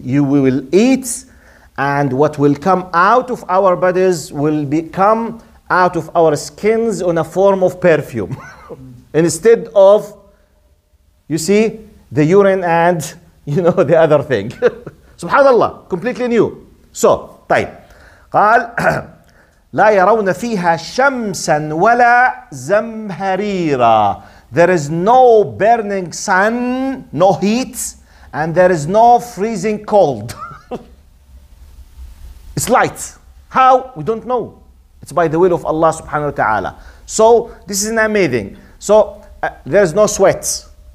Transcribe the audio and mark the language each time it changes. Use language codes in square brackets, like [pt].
[en] You will eat, and what will come out of our bodies will become out of our skins in a form of perfume. Instead of, you see, the urine and, you know, the other thing. Subhanallah, completely new. So, طيب. [ar] قال, لا يرون فيها شمسا ولا زمهريرا. [en] There is no burning sun, no heat, and there is no freezing cold. It's light. How? We don't know. It's by the will of Allah subhanahu wa ta'ala. So this is amazing. So there's no sweat.